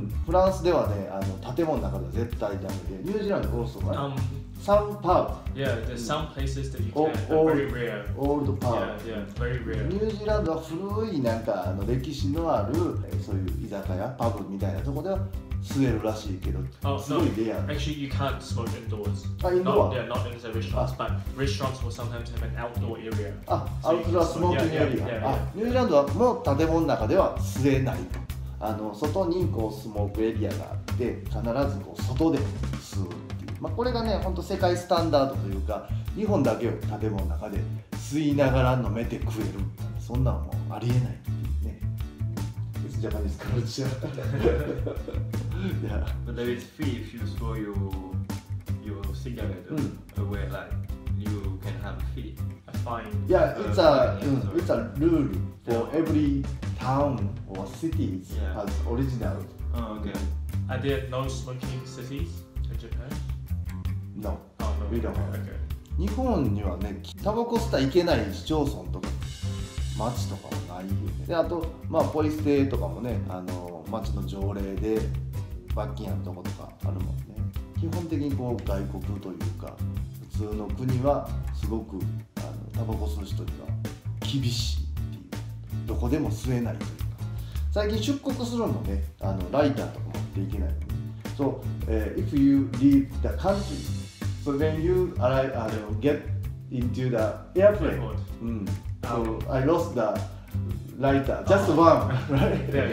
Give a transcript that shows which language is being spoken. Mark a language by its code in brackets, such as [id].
[ja] フランスではね、あの建物の中では絶対ダメで、ニュージーランドゴーストが [en] Some pub. Yeah, there's some places that you can, but very rare. Old pub. Yeah, yeah, very rare. [ja] ニュージーランドは古いなんかあの歴史のあるそういう居酒屋、パブみたいなとこでは吸えるらしいけど、すごいレア。 [en] Actually, you can't smoke indoors. [ja] あ、インドア。 [en] Yeah, not in the restaurants, but restaurants will sometimes have an outdoor area. [ja] あ、アウトドアスモーキングエリア。あ、ニュージーランドはもう建物の中では吸えない。あの、外にこうスモークエリアがあって、必ずこう外で吸う。まあ、これがね、本当世界スタンダードというか、日本だけを建物の中で吸いながら飲めて食える、そんなのもありえないっていうね。 [en] It's Japanese culture. Yeah. But there is fee if you throw your cigarette away, like you can have a fee, a fine. Yeah, it's a, it's a rule for every town or city has original. Oh, okay. Are there no smoking cities in Japan? No, oh, no, we don't have. Okay. [ja] 日本にはね、タバコ吸ったらいけない市町村とか町とかもないよね。であと、まあ、ポイ捨てとかもね、町の条例で罰金やんとことかあるもんね。基本的にこう外国というか普通の国はすごくタバコ吸う人には厳しいっていう、どこでも吸えないというか、最近出国するのね、ライターとか持っていけないので、 [en] So, if you leave the country, so then you get into the airplane. So I lost the lighter, just one, right?